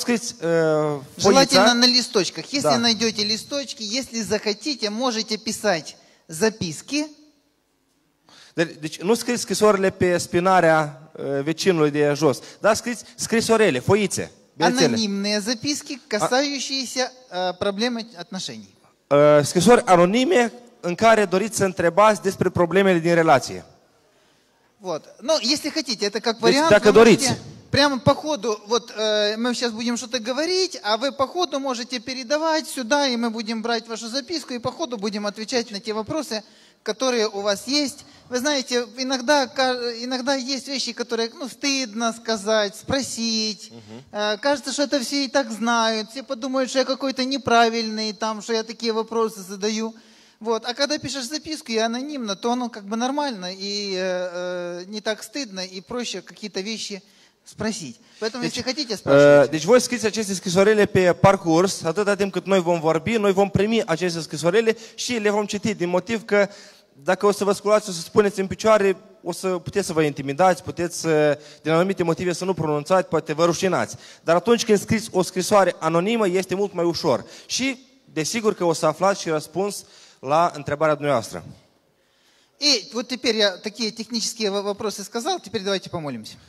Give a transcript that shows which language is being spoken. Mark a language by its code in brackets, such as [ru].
[ru] Желательно на листочках. Если найдете листочки, если захотите, можете писать записки. [ro] Deci, nu scrieți scrisorile pe spinarea vecinului de jos, dar scrieți scrisorile, foițe. [ru] Анонимные записки, касающиеся проблемы отношений. [ro] Scrisori anonime în care doriți să întrebați despre problemele din relație. [ru] Вот. Ну, если хотите, это как вариант. [ro] Deci, dacă doriți. [ru] Прямо по ходу, вот мы сейчас будем что-то говорить, а вы по ходу можете передавать сюда, и мы будем брать вашу записку, и по ходу будем отвечать на те вопросы, которые у вас есть. Вы знаете, иногда есть вещи, которые стыдно сказать, спросить. Угу. Кажется, что это все и так знают, все подумают, что я какой-то неправильный, там, что я такие вопросы задаю. Вот. А когда пишешь записку и анонимно, то оно как бы нормально, и не так стыдно, и проще какие-то вещи спросить. Поэтому, если хотите, спрашивайте. [ro] Deci, voi scrieți aceste scrisorile pe parcurs, atâta timp cât noi vom vorbi, noi vom primi aceste scrisorile și le vom citi, din motiv că dacă o să vă sculați, o să spuneți în picioare, o să puteți să vă intimidați, puteți să, din anumite motive să nu pronunțați, poate vă rușinați. Dar atunci când scrieți o scrisoare anonimă, este mult mai ușor. Și, desigur că o să aflați și răspuns la întrebarea dumneavoastră. [ru] И вот теперь я такие технические вопросы сказал, теперь давайте помолимся.